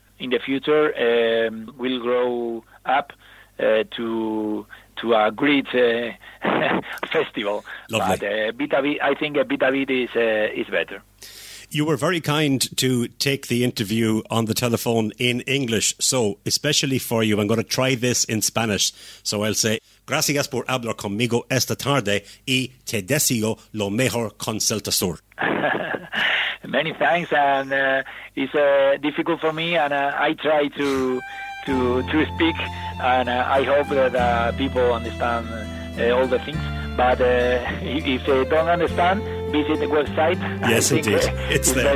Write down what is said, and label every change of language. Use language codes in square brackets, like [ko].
[en] In the future, will grow up to a great festival. Lovely. But I think a bit is better. You were very kind to take the interview on the telephone in English. So, especially for you, I'm going to try this in Spanish. So I'll say, [es] gracias por hablar conmigo esta tarde y te deseo lo mejor con Celta Sur. [en] Many thanks, and it's difficult for me, and I try to speak, and I hope that people understand all the things. But if they don't understand, visit the website. Yes, indeed. It's there.